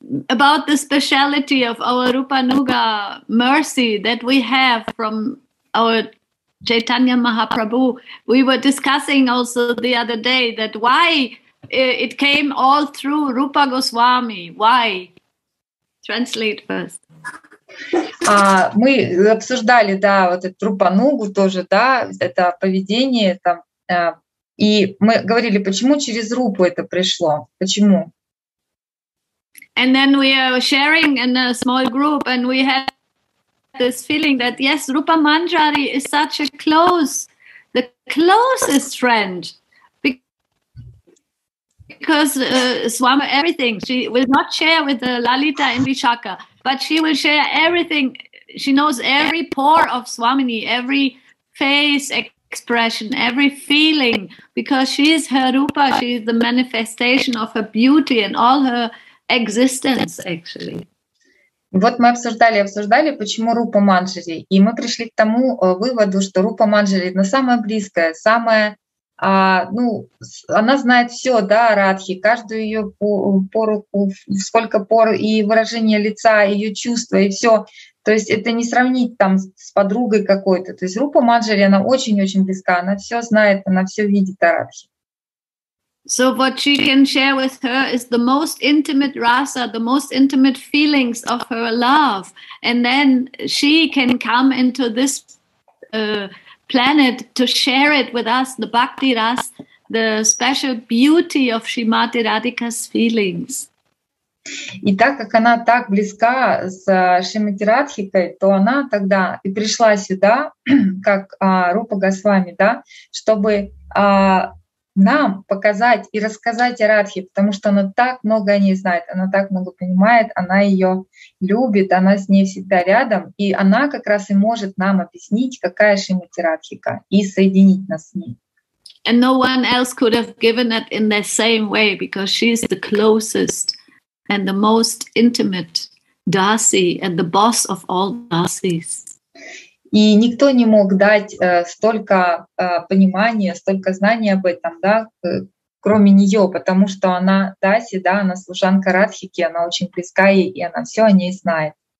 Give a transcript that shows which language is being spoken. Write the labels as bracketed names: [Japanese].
[English] About the speciality of our Rupanuga mercy that we have from our Chaitanya Mahaprabhu. We were discussing also the other day that why it came all through Rupa Goswami. Why? Translate first. [Russian] Мы обсуждали, да, вот эту Рупанугу тоже, да, это поведение там. И мы говорили, почему через Рупу это пришло? Почему? [English] And then we are sharing in a small group, and we have this feeling that yes, Rupa Manjari is such a close, the closest friend, because Swami everything she will not share with the Lalita and Vishakha, but she will share everything. She knows every pore of Swamini, every face expression, every feeling, because she is her Rupa, she is the manifestation of her beauty and all her existence, actually. [Russian] Вот мы обсуждали, почему Рупа Манджари, и мы пришли к тому выводу, что Рупа Манджари — самая близкая, самая, она знает все, да, о Радхе, каждую ее пору, сколько пор, и выражение лица, ее чувства, и все. То есть это не сравнить там с подругой какой-то. То есть Рупа Манджари, она очень-очень близка, она все знает, она все видит о Радхе. [English] So what she can share with her is the most intimate rasa, the most intimate feelings of her love. And then she can come into this planet to share it with us, the bhakti ras, the special beauty of Shrimati Radhika's feelings. [Russian] И так как она так близка с Шримати Радхикой, то она тогда и пришла сюда, как Рупа Госвами, да, чтобы нам показать и рассказать о Радхе, потому что она так много о ней знает, она так много понимает, она ее любит, она с ней всегда рядом, и она как раз и может нам объяснить, какая Шримати Радхика, и соединить нас с ней. [English] And no one else could have given it in the same way, because she is the closest and the most intimate Dasi and the boss of all Dasis. [Russian] И никто не мог дать столько понимания, столько знаний об этом, да, кроме нее, потому что она Даси, да, она служанка Радхики, она очень близка ей, и она все о ней знает.